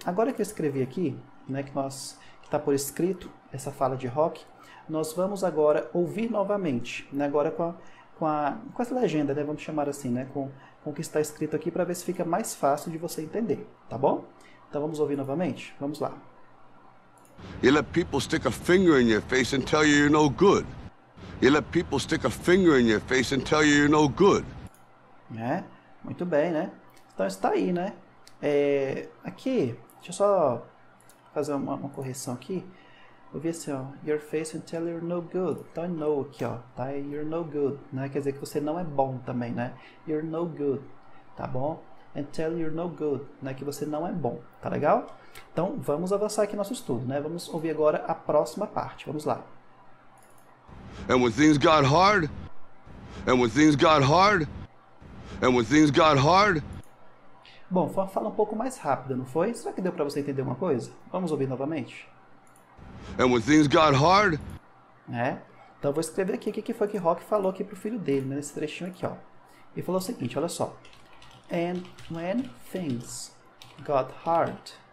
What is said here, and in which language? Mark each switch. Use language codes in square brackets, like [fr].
[pt] Agora que eu escrevi aqui, né, que tá por escrito essa fala de Rock, nós vamos agora ouvir novamente, né, agora com essa legenda, né, vamos chamar assim, né, com o que está escrito aqui para ver se fica mais fácil de você entender, tá bom? Então vamos ouvir novamente? Vamos lá. [en] You let people stick a finger in your face and tell you you're no good. You let people stick a finger in your face and tell you you're no good. [pt] Né? Muito bem, né? Então está aí, né? Aqui, deixa eu só fazer uma correção aqui. Eu vi assim, ó, [en] your face until you're no good. [pt] Tá em no aqui, ó, tá? [en] You're no good, [pt] né? Quer dizer que você não é bom também, né? [en] You're no good, [pt] tá bom? [en] Until you're no good, [pt] né? Que você não é bom, tá legal? Então, vamos avançar aqui nosso estudo, né? Vamos ouvir agora a próxima parte. Vamos lá. [en] And when things got hard, and when things got hard, and when things got hard. [pt] Bom, foi uma fala um pouco mais rápida, não foi? Será que deu para você entender uma coisa? Vamos ouvir novamente. [en] And when things got hard. [pt] É? Então, eu vou escrever aqui o que foi que Rock falou aqui pro filho dele, né? Nesse trechinho aqui, ó. Ele falou o seguinte, olha só. [en] And when things got hard.